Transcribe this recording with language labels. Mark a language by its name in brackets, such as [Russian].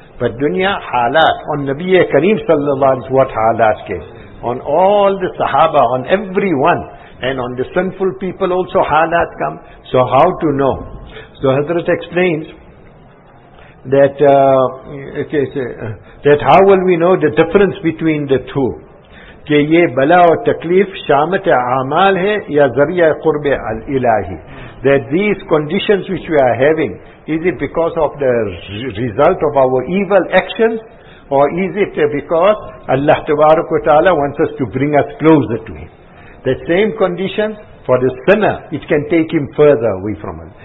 [English] But dunya, halat. On Nabi Kareem sallallahu alayhi wa sallam, what halat came? On all the sahaba, on everyone. And on the sinful people also halat come. So how to know? So Hazrat explains that how will we know the difference between the two? [Urdu] کہ یہ بلا اور تکلیف شامت اعمال ہے یا ذریعہ قرب الہی. [English] That these conditions which we are having, is it because of the result of our evil actions, or is it because Allah تبارک و تعالی wants us to bring us closer to Him? The same condition for the sinner, it can take him further away from Him.